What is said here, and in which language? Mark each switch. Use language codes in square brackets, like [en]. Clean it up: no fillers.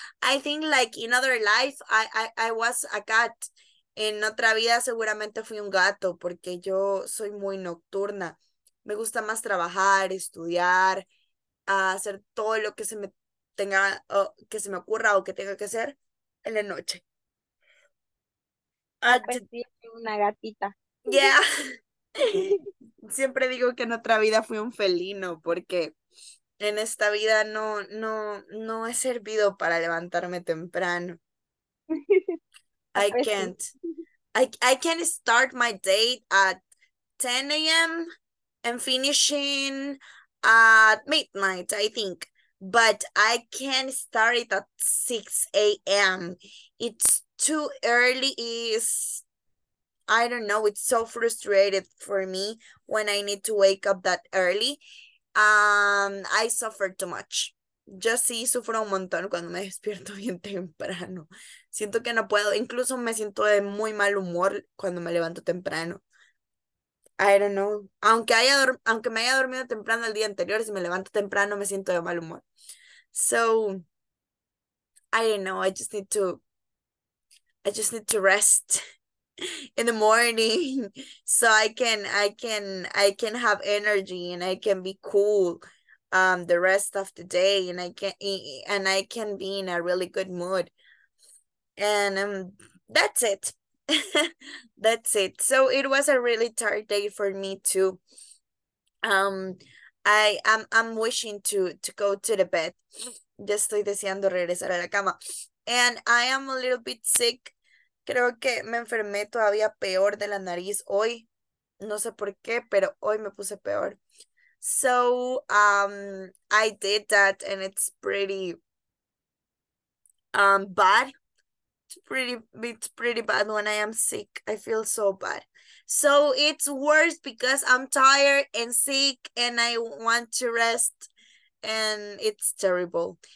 [en] I think, like, in other life, I was a cat. [es] En otra vida seguramente fui un gato porque yo soy muy nocturna. Me gusta más trabajar, estudiar, hacer todo lo que se me tenga o que se me ocurra o que tenga que hacer en la noche. Ah, pues sí, una gatita. [en] Yeah. [es] Siempre digo que en otra vida fui un felino porque en esta vida no he servido para levantarme temprano. Ah, pues sí. [en] I can't start my day at 10 a.m. and finishing at midnight, I think. But I can't start it at 6 a.m. It's too early. Is I don't know. It's so frustrated for me when I need to wake up that early. I suffer too much. [es] Yo sí sufro un montón cuando me despierto bien temprano. Siento que no puedo. Incluso me siento de muy mal humor cuando me levanto temprano. [en] I don't know. [es] Aunque me haya dormido temprano el día anterior, si me levanto temprano me siento de mal humor. [en] So, I don't know. I just need to rest in the morning so I can have energy and I can be cool the rest of the day, and I can be in a really good mood. And that's it. That's it. So it was a really tired day for me too. I'm wishing to go to the bed. [es] Ya estoy deseando regresar a la cama. [en] And I am a little bit sick. [es] Creo que me enfermé todavía peor de la nariz hoy. No sé por qué, pero hoy me puse peor. [en] So I did that, and it's pretty bad. It's pretty bad when I am sick. I feel so bad. So it's worse because I'm tired and sick and I want to rest, and it's terrible.